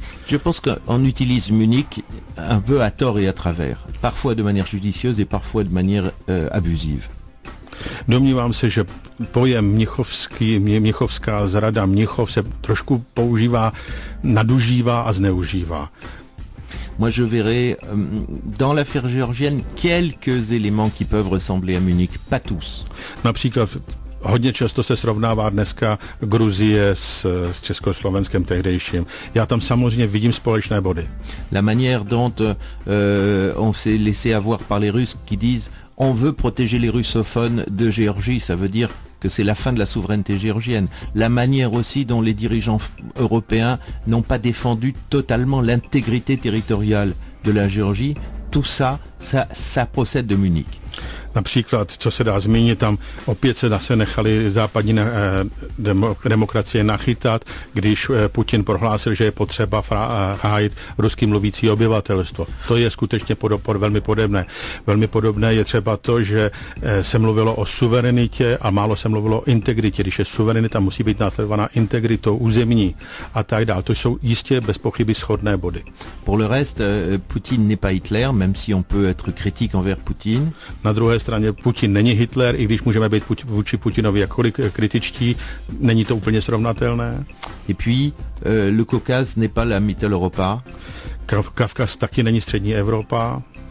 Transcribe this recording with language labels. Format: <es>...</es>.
<fr>Je pense qu'on utilise Munich un peu à tort et à travers, parfois de manière judicieuse et parfois de manière abusive.</fr> <cs>Domnívám se, že pojem mnichovská zrada, Mnichov, se trošku používá, nadužívá a zneužívá.</cs> <fr>Moi, je verrais dans l'affaire géorgienne quelques éléments qui peuvent ressembler à Munich, pas tous.</fr> <cs>Například hodně často se srovnává dneska Gruzie s Československem tehdejším. Já tam samozřejmě vidím společné body.</cs> <fr>La manière dont on s'est laissé avoir par les Russes qui disent on veut protéger les russophones de Géorgie, ça veut dire que c'est la fin de la souveraineté géorgienne. La manière aussi dont les dirigeants européens n'ont pas défendu totalement l'intégrité territoriale de la Géorgie, tout ça, ça procède de Munich.</fr> <cs>Například, co se dá zmínit, tam opět se zase nechali západní demokracie nachytat, když Putin prohlásil, že je potřeba hájit ruský mluvící obyvatelstvo. To je skutečně velmi podobné. Velmi podobné je třeba to, že se mluvilo o suverenitě a málo se mluvilo o integritě. Když je suverenita, musí být následovaná integritou územní a tak dále. To jsou jistě bez pochyby shodné body.</cs> <fr>Pour le reste, Putin n'est pas Hitler, même si on peut être critique envers Putin.</fr> <cs>Na druhé straně Putin není Hitler, i když můžeme být vůči Putinovi jakkoliv kritičtí, není to úplně srovnatelné.</cs> <fr>Et puis, le Caucase n'est pas la Mitteleuropa.</fr> <cs>Kavkaz taky není střední Evropa.</cs>